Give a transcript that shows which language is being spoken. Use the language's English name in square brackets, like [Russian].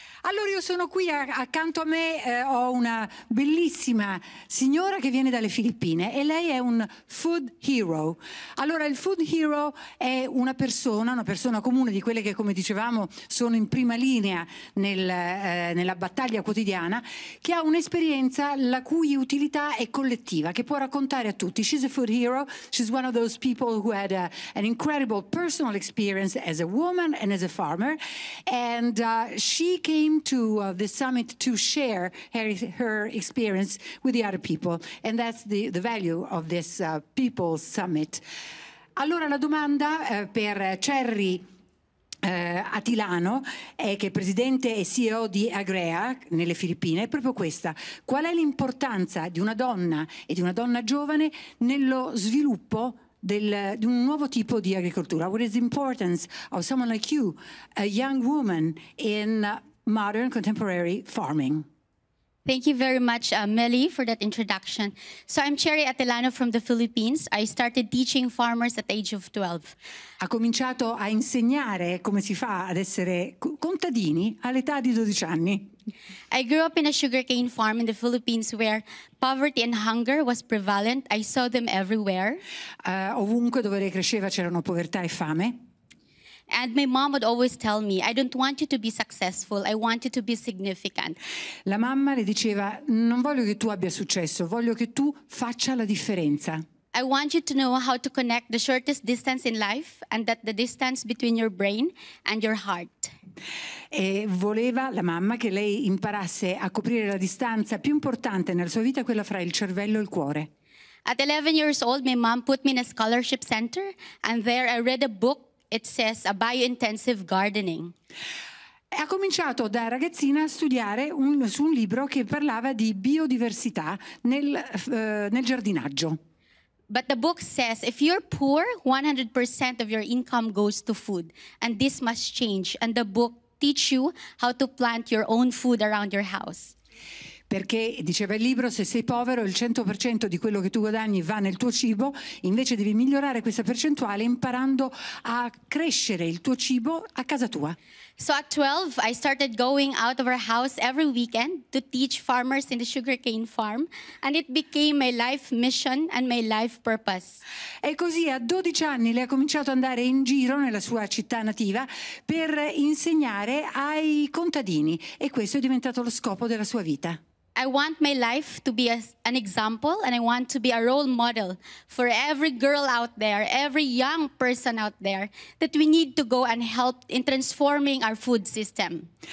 [Italian] Allora io sono qui, accanto a me ho una bellissima signora che viene dalle Filippine e lei è un food hero. Allora il food hero è una persona comune di quelle che, come dicevamo, sono in prima linea nella battaglia quotidiana, che ha un'esperienza la cui utilità è collettiva, che può raccontare a tutti. [English] She's a food hero, she's one of those people who had an incredible personal experience as a woman and as a farmer, and she came to the summit to share her experience with the other people, and that's the value of this people's summit. [Italian] Allora la domanda per Cherry Atilano, che è presidente e CEO di Agrea nelle Filippine, è proprio questa: qual è l'importanza di una donna e di una donna giovane nello sviluppo di un nuovo tipo di agricoltura? [English] What is the importance of someone like you, a young woman, in modern contemporary farming? Thank you very much, Meli, for that introduction. So I'm Cherry Atelano from the Philippines. I started teaching farmers at the age of 12. [Italian] Ha cominciato a insegnare come si fa ad essere contadini all'età di 12 anni. [English] I grew up in a sugarcane farm in the Philippines where poverty and hunger was prevalent. I saw them everywhere. [Italian] Ovunque dove lei cresceva c'erano povertà e fame. [English] And my mom would always tell me, I don't want you to be successful, I want you to be significant. [Italian] La mamma le diceva, non voglio che tu abbia successo, voglio che tu faccia la differenza. [English] I want you to know how to connect the shortest distance in life and that the distance between your brain and your heart. [Italian] E voleva la mamma che lei imparasse a coprire la distanza più importante nella sua vita, quella fra il cervello e il cuore. [English] At 11 years old, my mom put me in a scholarship center and there I read a book. It says a biointensive gardening. [Italian] Ha cominciato da ragazzina a studiare su un libro che parlava di biodiversità nel giardinaggio. [English] But the book says if you're poor, 100% of your income goes to food, and this must change. And the book teaches you how to plant your own food around your house. [Italian] Perché, diceva il libro, se sei povero il 100% di quello che tu guadagni va nel tuo cibo, invece devi migliorare questa percentuale imparando a crescere il tuo cibo a casa tua. [English] So at 12 I started going out of our house every weekend to teach farmers in the sugarcane farm and it became my life mission and my life purpose. [Italian] E così a 12 anni lei ha cominciato ad andare in giro nella sua città nativa per insegnare ai contadini e questo è diventato lo scopo della sua vita. [English] I want my life to be an example and I want to be a role model for every girl out there, every young person out there that we need to go and help in transforming our food system.